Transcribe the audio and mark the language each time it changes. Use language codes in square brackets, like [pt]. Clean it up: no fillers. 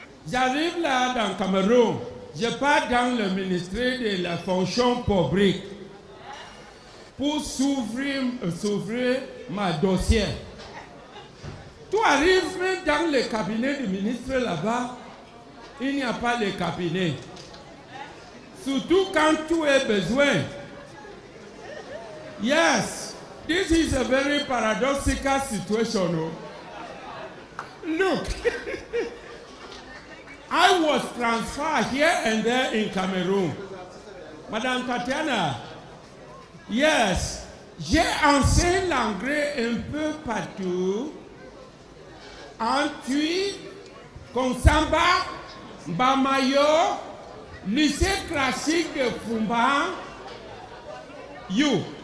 [fr] J'arrive là dans le Cameroun, je pars dans le ministère de la fonction publique pour s'ouvrir ma dossier. Tu arrives même dans le cabinet du ministre là-bas, il n'y a pas de cabinet. Surtout quand tu as besoin. [en] Yes, this is a very paradoxical situation. Look, I was transferred here and there in Cameroon. [fr] Madame Tatiana, yes, j'ai enseigné l'anglais un peu partout. Antui, Consamba, Bamayo, lycée classique de Fumba, you.